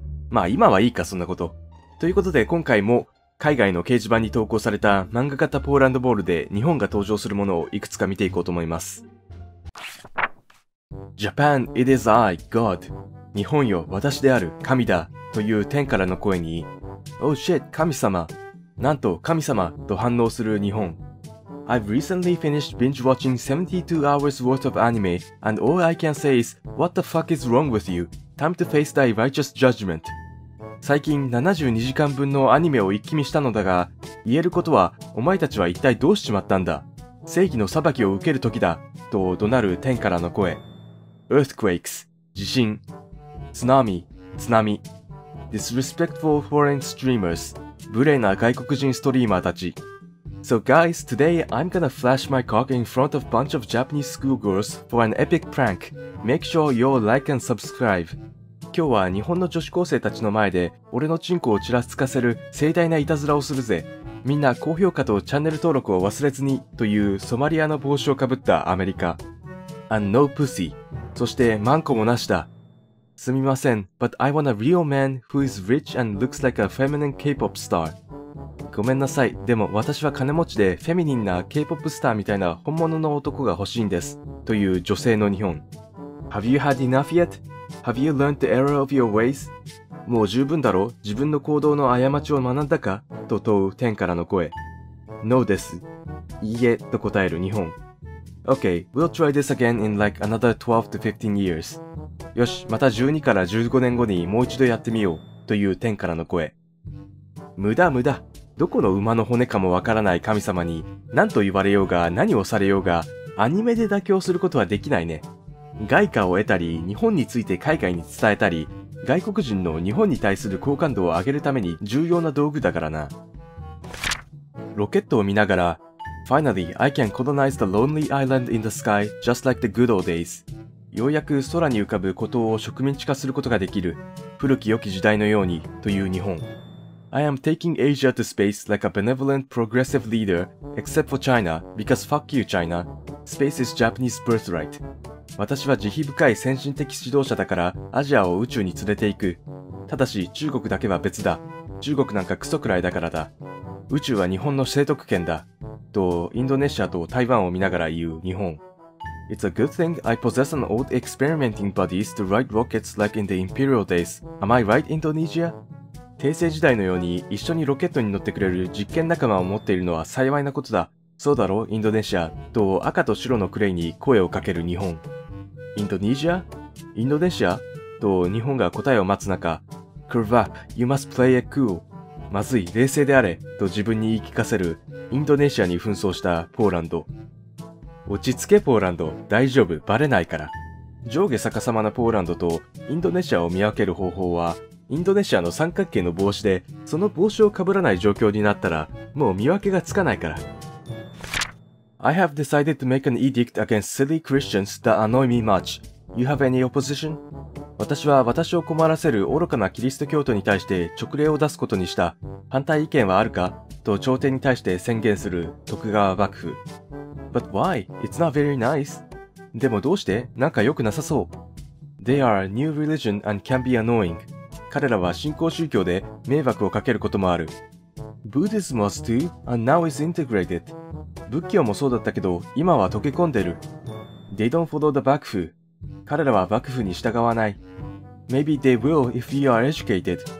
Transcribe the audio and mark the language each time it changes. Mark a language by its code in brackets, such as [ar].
[ja] まあ今はいいかそんなこと。ということで今回も海外の掲示板に投稿された漫画型ポーランドボールで日本が登場するものをいくつか見ていこうと思います。 [en] Japan, it is I, God. [ja] 日本よ、私である、神だ。という天からの声に、 [en] Oh shit, [ja] 神様。なんと神様と反応する日本。 [en] I've recently finished binge watching 72 hours worth of anime and all I can say is What the fuck is wrong with you? Time to face thy righteous judgment. [ja] 最近72時間分のアニメを一気見したのだが、言えることはお前たちは一体どうしちまったんだ。正義の裁きを受ける時だ。と怒鳴る天からの声。Earthquakes 地震。 Tsunami 津波。 [en] Disrespectful foreign streamers [ja] 無礼な外国人ストリーマーたち。 [en] So guys, today I'm gonna flash my cock in front of bunch of Japanese schoolgirls for an epic prank. Make sure you like and subscribe. [ja] 今日は日本の女子高生たちの前で俺のチンコをちらつかせる盛大ないたずらをするぜ。みんな高評価とチャンネル登録を忘れずに。というソマリアの帽子をかぶったアメリカ。 [en] And no pussy. [ja] そしてマンコもなしだ。すみません、 [en] but I want a real man who is rich and looks like a feminine K-pop star. [ja] ごめんなさい。でも私は金持ちでフェミニンな K-POP スターみたいな本物の男が欲しいんです。という女性の日本。 [en] Have you had enough yet? Have you learned the error of your ways? [ja] もう十分だろ。自分の行動の過ちを学んだか? と問う天からの声。 No です。いいえ。と答える日本。 [en] Okay, we'll try this again in like another 12 to 15 years. [ja] よし、また12から15年後にもう一度やってみよう。という天からの声。無駄無駄。どこの馬の骨かもわからない神様に、何と言われようが何をされようが、アニメで妥協することはできないね。外貨を得たり、日本について海外に伝えたり、外国人の日本に対する好感度を上げるために重要な道具だからな。ロケットを見ながら、 [en] Finally, I can colonize the lonely island in the sky, just like the good old days. [ja] ようやく空に浮かぶ孤島を植民地化することができる。古き良き時代のように、という日本。 I am taking Asia to space like a benevolent progressive leader, except for China, because fuck you, China. Space is Japanese birthright. 私は慈悲深い先進的指導者だから、アジアを宇宙に連れて行く。ただし、中国だけは別だ。中国なんかクソくらいだからだ。宇宙は日本の生徳圏だ。と、インドネシアと台湾を見ながら言う日本。 [en] It's a good thing I possess an old experimenting bodies to ride rockets like in the imperial days. Am I right, Indonesia? [ja] 帝政時代のように一緒にロケットに乗ってくれる実験仲間を持っているのは幸いなことだ。そうだろ、インドネシア。と赤と白のクレイに声をかける日本。インドネシア?インドネシア? と日本が答えを待つ中、 [en] Curve up, you must play it cool. [ja] まずい、冷静であれ。と自分に言い聞かせるインドネシアに紛争したポーランド。落ち着けポーランド。大丈夫、バレないから。上下逆さまなポーランドとインドネシアを見分ける方法は、インドネシアの三角形の帽子で、その帽子をかぶらない状況になったら、もう見分けがつかないから。 [en] I have decided to make an edict against silly Christians that annoy me much. You have any opposition? [ja] 私は私を困らせる愚かなキリスト教徒に対して勅令を出すことにした。反対意見はあるか?と朝廷に対して宣言する徳川幕府。 [en] But why? It's not very nice. [ja] でもどうして?なんか良くなさそう。 [en] They are a new religion and can be annoying. [ja] 彼らは新興宗教で迷惑をかけることもある。 [en] Buddhism was too, and now it's integrated. [ja] 仏教もそうだったけど、今は溶け込んでる。 [en] They don't follow the 幕府。 [ja] 彼らは幕府に従わない。 [en] Maybe they will if you are educated.